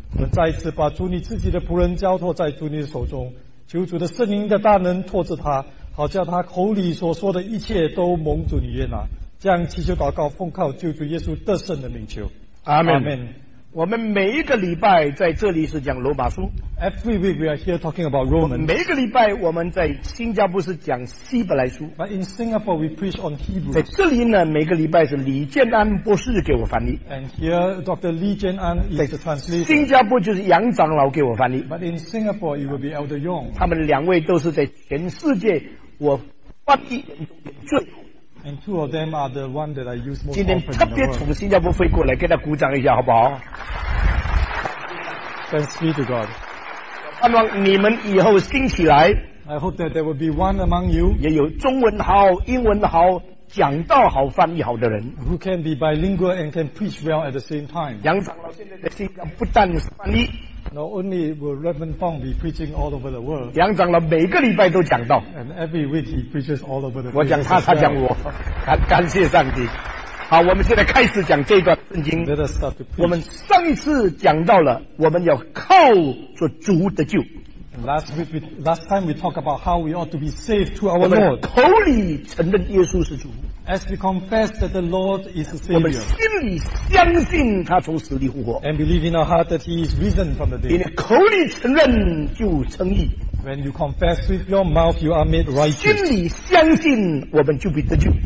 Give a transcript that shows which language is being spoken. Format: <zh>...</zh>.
<zh>我们再一次把主你自己的仆人交托在主你的手中，求主的圣灵的大能托着他，好叫他口里所说的一切都蒙主你悦纳。这样祈求祷告奉靠救主耶稣得胜的名求，阿们。阿们。我们每一个礼拜在这里是讲罗马书。</zh> <en>Every week we are here talking about Romans.</en> <zh>每一个礼拜我们在新加坡是讲希伯来书。</zh> <en>But in Singapore we preach on Hebrews.</en> <zh>在这里呢，每个礼拜是李建安博士给我翻译。</zh> <en>And here Dr. Lee Jian An is the translator.</en> <zh>新加坡就是杨长老给我翻译。</zh> <en>But in Singapore it will be Elder Yong.</en> <zh>他们两位都是在全世界我翻译最。</zh> <en>And two of them are the one that I use most.</en> <zh>今天特别从新加坡飞过来，给他鼓掌一下，好不好</zh> <en>？Thanks be to God.</en> <zh>盼望你们以后兴起来。</zh> <en>I hope that there will be one among you.</en> <zh>也有中文好、英文好、讲道好、翻译好的人。</zh> <en>Who can be bilingual and can preach well at the same time?</en> <zh>杨长老现在在新加坡不但是翻译。</zh> <en>Not only will Reverend Fong be preaching all over the world.</en> <zh>杨长老每个礼拜都讲到。</zh> <en>And every week he preaches all over the world.</en> <zh>我讲他，他讲我。感谢上帝。好，我们现在开始讲这段圣经。</zh> <en>Let us start to preach.</en> <zh>我们上一次讲到了，我们要靠着主得救。</zh> <en>Last time we talked about how we ought to be saved to our Lord.</en> <zh>我们口里承认耶稣是主。</zh> <en>As we confess that the Lord is the Savior.</en> <zh>我们心里相信他从死里复活。</zh> <en>And believe in our heart that he is risen from the dead.</en> <zh>你口里承认就称义。</zh> <en>When you confess with your mouth, you are made righteous.</en> <zh>心里相信我们就必得救。</zh>